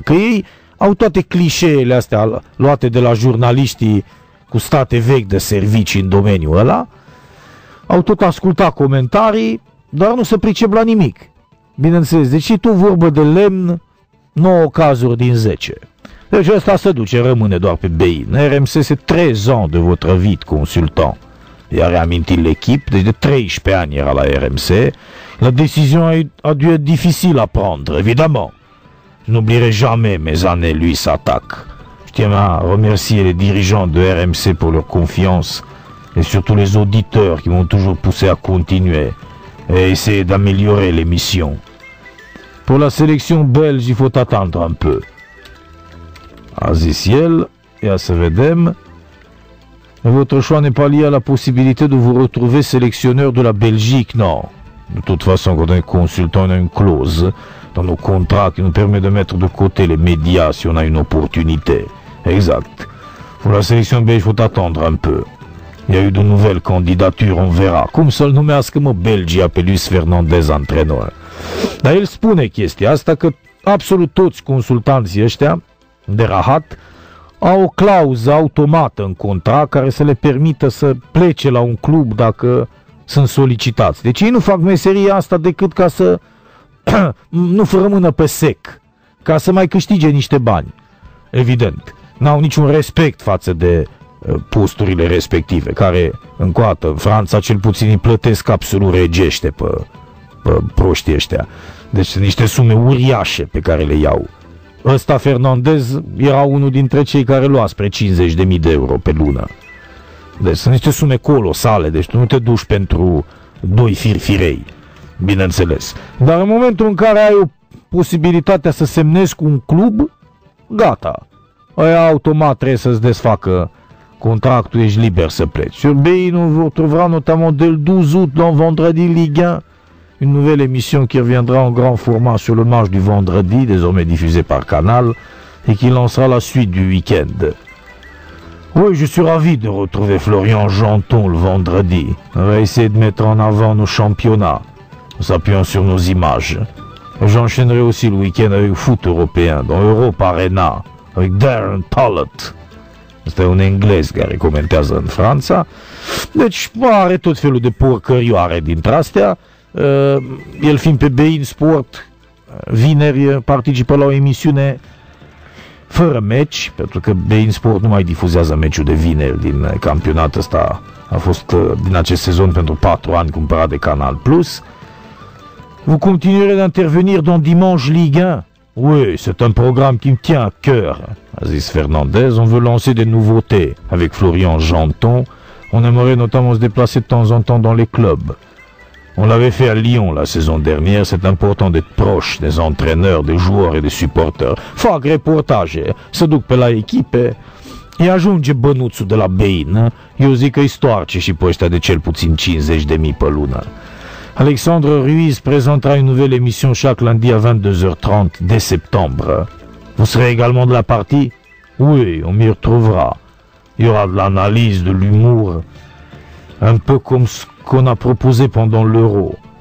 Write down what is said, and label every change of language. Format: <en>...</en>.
<ro>Că ei au toate clișeele astea luate de la jurnaliștii cu state vechi de servicii în domeniul ăla, au tot ascultat comentarii, dar nu se pricep la nimic. Bineînțeles, deci tu vorbă de lemn, 9 cazuri din 10. Deci ăsta se duce, rămâne doar pe BI. În RMSS, 3 ani de votre vit consultant. I-a reamintit l'echipe, deci de 13 ani era la RMC.</ro> <fr>La decizion a dû être difficile à prendre, évidemment. Je n'oublierai jamais mes années lui s'attaque. Je tiens à remercier les dirigeants de RMC pour leur confiance et surtout les auditeurs qui m'ont toujours poussé à continuer. Et essayer d'améliorer l'émission. Pour la sélection belge, il faut attendre un peu.</fr> <ro>A zis el, ia să vedem.</ro> <fr>Votre choix n'est pas lié à la possibilité de vous retrouver sélectionneur de la Belgique, non. De toute façon, quand on est consultant, on a une clause dans nos contrats qui nous permet de mettre de côté les médias si on a une opportunité. Exact. Pour la sélection belge, il faut attendre un peu. Il y a eu de nouvelles candidatures, on verra.</fr> <ro>Cum să-l numească, mă, Belgia, pe Luis Fernandez, antrenor? Dar el spune chestia asta, că absolut toți consultanții ăștia de rahat au o clauză automată în contract care să le permită să plece la un club dacă sunt solicitați. Deci ei nu fac meseria asta decât ca să nu rămână pe sec, ca să mai câștige niște bani. Evident, n-au niciun respect față de posturile respective, care încoată în Franța cel puțin îi plătesc absolut regește pe proștii ăștia. Deci sunt niște sume uriașe pe care le iau. Ăsta Fernandez era unul dintre cei care lua spre 50.000 de euro pe lună. Deci sunt niște sume colosale, deci tu nu te duci pentru doi firfirei, bineînțeles. Dar în momentul în care ai o posibilitate să semnezi cu un club, gata. Aia automat trebuie să-ți desfacă contractul, ești liber să pleci.</ro> <fr>Sur BI nous vous retrouvera notamment dès le 12 août dans Vendredi Ligue 1, une nouvelle émission qui reviendra en grand format sur le match du vendredi, désormais diffusé par Canal, et qui lancera la suite du week-end. Oui, je suis ravi de retrouver Florian Janton le vendredi. On va essayer de mettre en avant nos championnats, en s'appuyant sur nos images. J'enchaînerai aussi le week-end avec foot européen, dans Europa Arena, avec Darren Pollett.</fr> <ro>Asta e un englez care comentează în Franța. Deci are tot felul de porcărioare dintre astea. El fiind pe Bein Sport, vineri participă la o emisiune fără meci, pentru că Bein Sport nu mai difuzează meciul de vineri din campionatul ăsta. A fost din acest sezon pentru 4 ani cumpărat de Canal+.</ro> <fr>Vous continuerez d'intervenir dans Dimanche Ligue 1. Oui, c'est un programme qui me tient à cœur,</fr> <ro>a zis Fernandez.</ro> <fr>On veut lancer des nouveautés avec Florian Janton. On aimerait notamment se déplacer de temps en temps dans les clubs. On l'avait fait à Lyon la saison dernière. C'est important d'être proche des entraîneurs, des joueurs et des supporters.</fr> <ro>Fac reportage, se duc pe la echipe, îi ajunge bănuțul de la Bein. Eu zic că-i stoarce și pe ăștia de cel puțin 50.000 pe lună.</ro> <fr>Alexandre Ruiz présentera une nouvelle émission chaque lundi à 22h30 dès septembre. Vous serez également de la partie ? Oui, on m'y retrouvera. Il y aura de l'analyse, de l'humour, un peu comme ce qu'on a proposé pendant l'Euro.</fr>